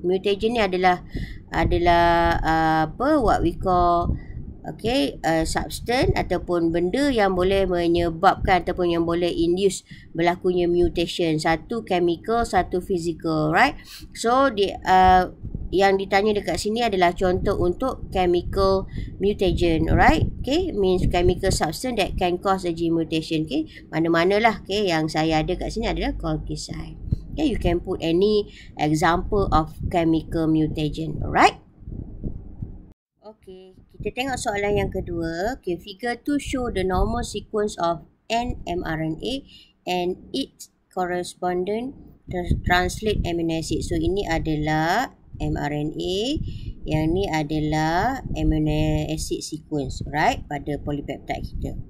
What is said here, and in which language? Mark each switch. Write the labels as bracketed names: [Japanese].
[Malay] Mutagen ni adalah apa, [English] what we call, [Malay] okay, substance ataupun benda yang boleh menyebabkan ataupun yang boleh induce berlakunya mutation. [English] Satu chemical, satu physical, right? [Malay] So, yang ditanya dekat sini adalah contoh untuk chemical mutagen, right? [English] Okay, means chemical substance that can cause a gene mutation. [Malay] Okay, mana-manalah, okay, yang saya ada kat sini adalah colchicine. [English] Okay, you can put any example of chemical mutagen, alright? Okay, [Malay] kita tengok soalan yang kedua. [English] Okay, figure 2 show the normal sequence of N mRNA and its correspondent translate amino acid. [Malay] So, ini adalah mRNA, yang ni adalah amino acid sequence, right, pada polypeptide kita.